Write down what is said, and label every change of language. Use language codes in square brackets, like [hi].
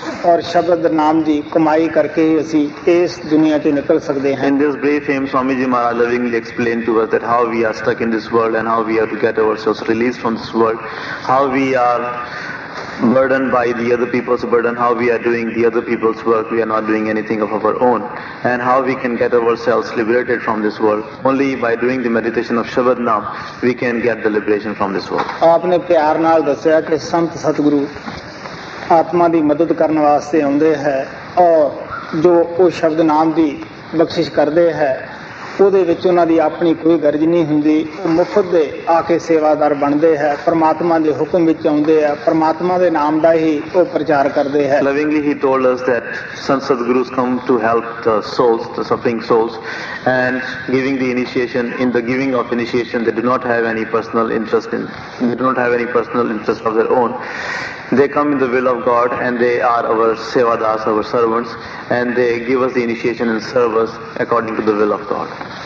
[pa] ਔਰ ਸ਼ਬਦ ਨਾਮ ਦੀ ਕਮਾਈ ਕਰਕੇ ਹੀ ਅਸੀਂ ਇਸ ਦੁਨੀਆ 'ਚੋਂ ਨਿਕਲ ਸਕਦੇ ਹਾਂ [en] In this brief fame Swami ji Maharaj lovingly explain to us that how we are stuck in this world and how we have to get our souls release from this world how we are burdened by the other people's burden, how we are doing the other people's work, we are not doing anything of our own, and how we can get ourselves liberated from this world. Only by doing the meditation of Shabad Naam, we can get the liberation from this world. [pa] Aapne pyar naal dassya ke sant satguru atma di madad karan vaste aunde hai aur jo oh shabd naam di bakhshish karde hai ਉਹਦੇ ਵਿੱਚ ਉਹਨਾਂ ਦੀ ਆਪਣੀ ਕੋਈ ਗਰਜ ਨਹੀਂ ਹੁੰਦੀ। ਉਹ ਮੁਫਤ ਦੇ ਆ ਕੇ ਸੇਵਾਦਾਰ ਬਣਦੇ ਹੈ, ਪਰਮਾਤਮਾ ਦੇ ਹੁਕਮ ਵਿੱਚ ਆਉਂਦੇ ਹੈ, ਪਰਮਾਤਮਾ ਦੇ ਨਾਮ ਦਾ ਹੀ ਉਹ ਪ੍ਰਚਾਰ ਕਰਦੇ ਹੈ। [en] Lovingly he told us that Sansad Gurus come to help the souls, the suffering souls, and giving the initiation. In the giving of initiation, they do not have any personal interest in, they do not have any personal interest of their own. They come in the will of God and they are our sevadas, our servants, and they give us the initiation and serve us according to the will of God.